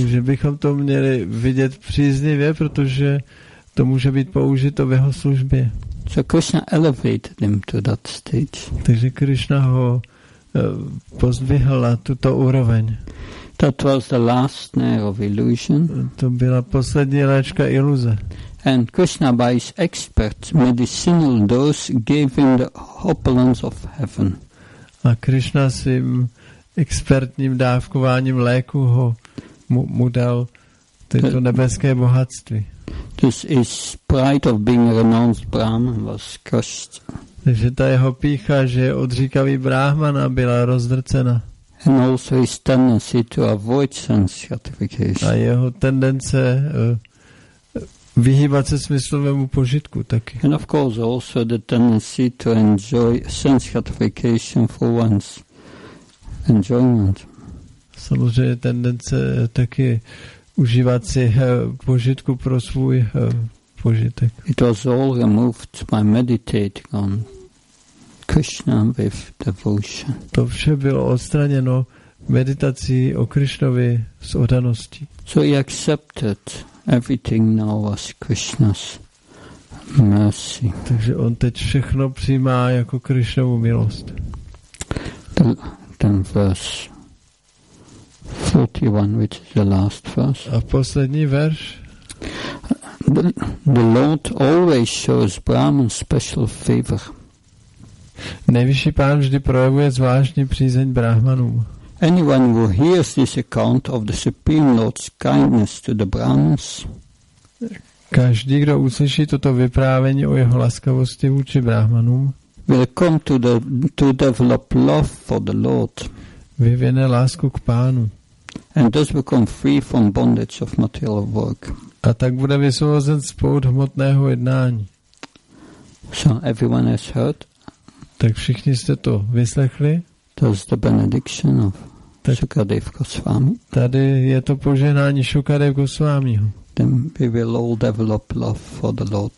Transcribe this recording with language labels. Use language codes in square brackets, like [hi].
[cs] Takže bychom to měli vidět příznivě, protože to může být použito v jeho službě. [en] So Krishna elevated him to that stage. [cs] Takže Krishna ho pozdvihl na tuto úroveň. [en] That was the last layer of illusion. [cs] To byla poslední léčka iluze. [en] And Krishna, by his expert medicinal dose, gave him the opulence of heaven. [cs] A Krishna svým expertním dávkováním léku mu dal tyto nebeské bohatství. [en] This is pride of being renounced Brahman was crushed. [cs] Takže ta jeho pícha, že je odříkavý Brahmana, byla rozdrcena. [en] And also his tendency to avoid sense gratification. [cs] A jeho tendence vyhýbat se smyslovému požitku taky. [en] And of course also the tendency to enjoy sense gratification for one's enjoyment. [cs] Samozřejmě tendence taky užívat si požitku pro svůj požitek. [en] It was all removed by meditating on Krishna with devotion. [cs] To vše bylo odstraněno meditací o Krishnovi s oddaností. [en] So he accepted everything now as Krishna's mercy. [cs] Takže on teď všechno přijímá jako Krishnovu milost. [en] Ten verse 41, which is the last verse. [cs] A poslední verš. [en] The Lord always shows Brahman special favor. [cs] Nejvyšší pán vždy projevuje zvláštní přízeň Brahmanům. [en] Anyone who hears this account of the Supreme Lord's kindness to the Brahmins. [cs] Každý, kdo uslyší toto vyprávění o jeho laskavosti vůči Brahmanům, [en] will come to develop love for the Lord. [cs] Vyvine lásku k pánu. [en] And thus become free from bondage of material work. [cs] A tak bude vysvobozen z pout hmotného jednání. [en] So everyone has heard. [cs] Tak všichni jste to vyslechli. [en] That's the benediction of Shukadev Goswami. [cs] Tady je to požehnání Shukadev Goswamiho. [en] Then we will all develop love for the Lord.